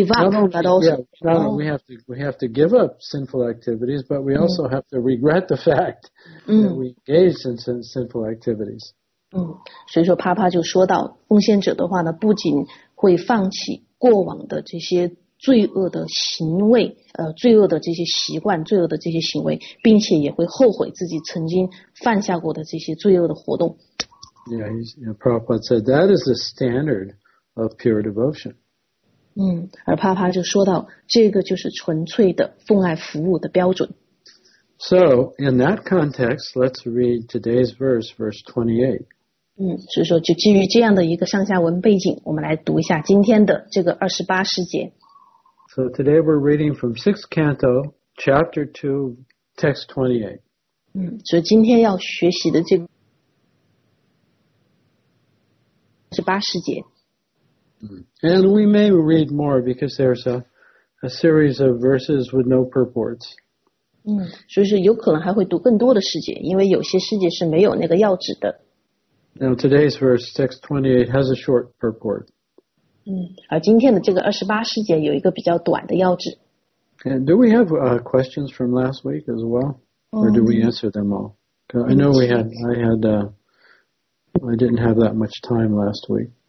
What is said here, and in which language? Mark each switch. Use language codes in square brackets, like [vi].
[en] We have to give up sinful activities, but we also have to regret the fact that we engaged in sinful activities. [zh] 所以说帕帕就说到，奉献者的话呢，不仅会放弃过往的这些罪恶的行为，罪恶的这些习惯，罪恶的这些行为，并且也会后悔自己曾经犯下过的这些罪恶的活动。 [en] Yeah, Prabhupada said that is the standard of pure devotion. [zh] 而帕帕就说到，这个就是纯粹的奉爱服务的标准。 [en] So, in that context, let's read today's verse, verse 28. [zh] 所以说就基于这样的一个上下文背景，我们来读一下今天的这个28世节。 [en] So today we're reading from 6th Canto, Chapter 2, Text 28. [zh] 所以今天要学习的这个28世节。 [en] And we may read more because there's a series of verses with no purports. [zh] 所以说有可能还会读更多的世节，因为有些世节是没有那个要旨的。 [en] Now today's verse, text 28, has a short purport. [zh] 而今天的这个28世节有一个比较短的要旨。 [en] And do we have questions from last week as well? Or do we answer them all? I know we had, I didn't have that much time last week.